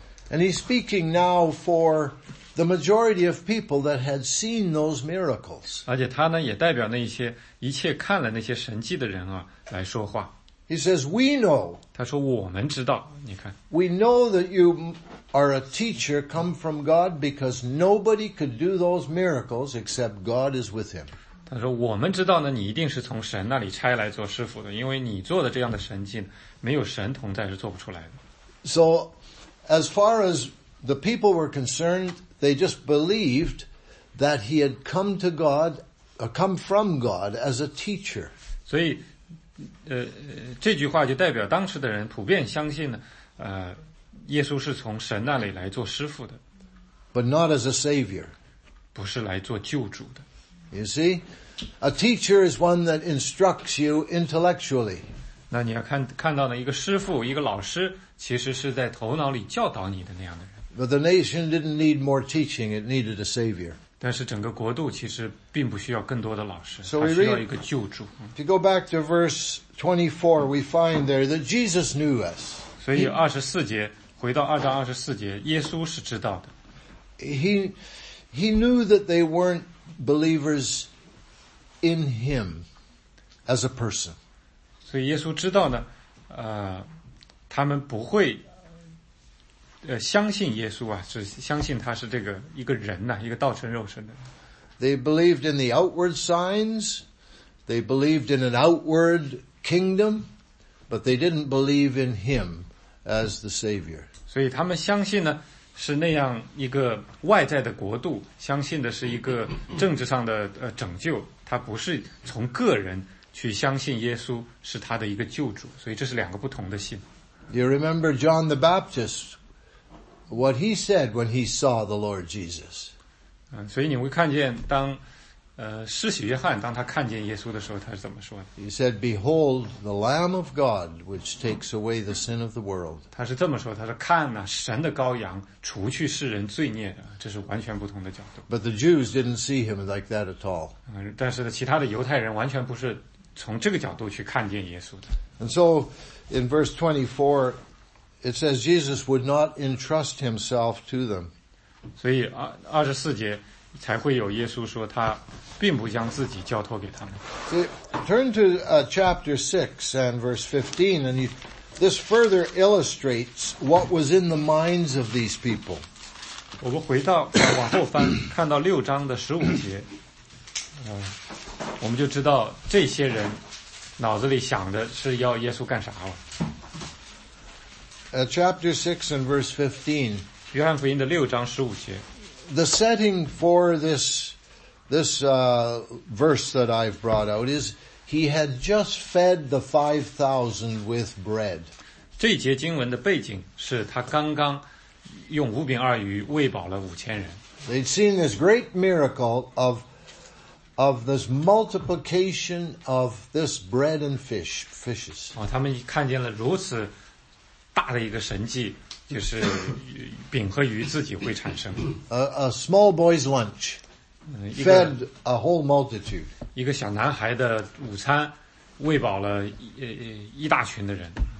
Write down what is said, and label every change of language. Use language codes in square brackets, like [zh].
[en] And he's speaking now for the majority of people that had seen those miracles. [zh] 而且他呢也代表那些一切看了那些神迹的人啊来说话。 [en] He says, we know. [zh] 他说我们知道，你看。 [en] We know that you are a teacher come from God because nobody could do those miracles except God is with him. [zh] 他说我们知道呢你一定是从神那里差来做师傅的，因为你做的这样的神迹没有神同在是做不出来的。 [en] So, as far as the people were concerned, they just believed that he had come to God, come from God as a teacher. [zh] 所以这句话就代表当时的人普遍相信呢，耶稣是从神那里来做师父的。 [en] But not as a savior. [zh] 不是来做救主的。 [en] You see? A teacher is one that instructs you intellectually. [zh] 那你要看到呢，一个师父，一个老师，其实是在头脑里教导你的那样的人。 [en] But the nation didn't need more teaching, it needed a savior. [zh] 但是整个国度其实并不需要更多的老师，它需要一个救主。 [en] If you go back to verse 24, we find there that Jesus knew us. [zh] 所以24节，回到2章24节，耶稣是知道的。 [en] He knew that they weren't believers in him as a person. [zh] 所以耶稣知道呢，他们不会相信耶稣啊，是相信他是这个一个人呐、啊，一个道成肉身的。 [en] They believed in the outward signs, they believed in an outward kingdom, but they didn't believe in him as the Savior. [zh] 所以他们相信呢，是那样一个外在的国度，相信的是一个政治上的拯救，他不是从个人去相信耶稣是他的一个救主，所以这是两个不同的信。 [en] You remember John the Baptist? What he said when he saw the Lord Jesus. [zh] 所以你会看见当施洗约翰当他看见耶稣的时候他是怎么说的。 [en] He said, behold, the Lamb of God, which takes away the sin of the world. [zh] 他是这么说，他说看啊，神的羔羊，除去世人罪孽，这是完全不同的角度。 [en] But the Jews didn't see him like that at all. [zh] 但是其他的犹太人完全不是从这个角度去看见耶稣的。 [en] And so, in verse 24,It says Jesus would not entrust himself to them. [zh] 所以24节才会有耶稣说他并不将自己交托给他们。 [en] Turn to chapter 6 and verse 15, and this further illustrates what was in the minds of these people. [zh] 我们回到往后翻看到6章的15节我们就知道这些人脑子里想的是要耶稣干啥了。 [en] Chapter 6 and verse 15. [zh] 约翰福音的六章十五节。 [en] The setting for this verse that I've brought out is he had just fed the 5,000 with bread. [zh] 这节经文的背景是他刚刚用五饼二鱼喂饱了五千人。 [en] They'd seen this great miracle of this multiplication of this bread and fishes. [zh] 他们看见了如此大的一个神迹，就是饼和鱼自己会产生。 [en] A small boy's lunch fed a whole multitude. [zh] 一个小男孩的午餐喂饱了一大群的人。